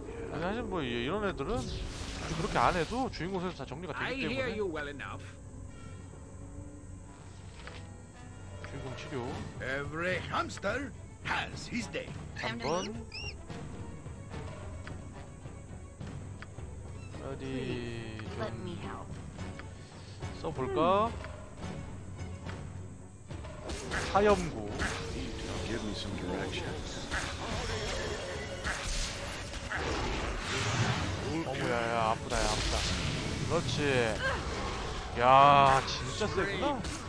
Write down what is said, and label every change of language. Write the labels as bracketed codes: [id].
[ko] 사실 뭐 이런 애들은 그렇게 안 해도 주인공 선수 다 정리가 되기 때문에. 주인공 치료. [en] Every hamster has his day. [ko] 한번 어디 좀 써 볼까? 사염구. [en] Give me some directions. [ko] 어머야야 아프다야 아프다. 그렇지. 야, 진짜 세구나.